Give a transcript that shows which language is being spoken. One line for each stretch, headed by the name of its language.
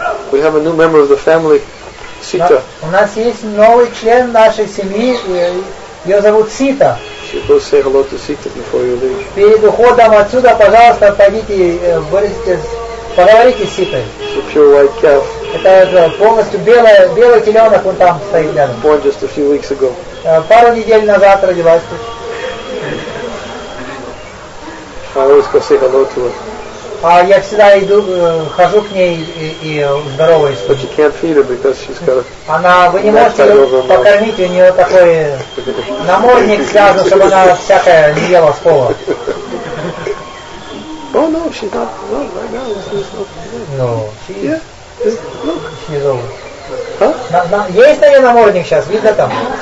English: We have a new member of the family, Sita.
Russian: У нас есть новый член нашей семьи. Ее зовут Сита.
English: So say hello to Sita before you leave.
Russian: Перед уходом отсюда, пожалуйста, пойдите, вырастите, поговорите с Ситой.
English: It's a pure white calf.
Russian: Это полностью белый теленок, он там стоит рядом.
English: Born just a few weeks ago.
Russian: Пару недель назад родилась тут.
English: I always go say hello to her.
Russian: А я всегда иду, хожу к ней и здороваюсь.
English: But you can't feed her because she's got a knot tied over her mouth.
Russian: Вы не можете покормить, у нее такой намордник связан, чтобы она всякое не ела с пола.
English: Oh no, she's not. No, right now she's not. No. She's old. Huh?
Russian: Есть на ней намордник сейчас, видно там?